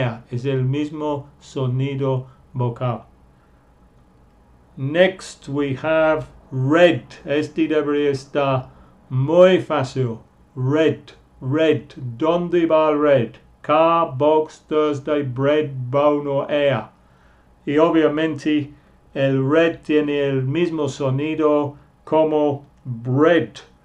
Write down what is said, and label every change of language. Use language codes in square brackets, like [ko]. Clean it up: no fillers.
[es] Es el mismo sonido vocal. [en] Next, we have red. [es] Este debería estar muy fácil. Red. ¿Dónde va el red? [en] Car, box, Thursday, bread, bone, or air. [es] Y obviamente, el red tiene el mismo sonido como bread.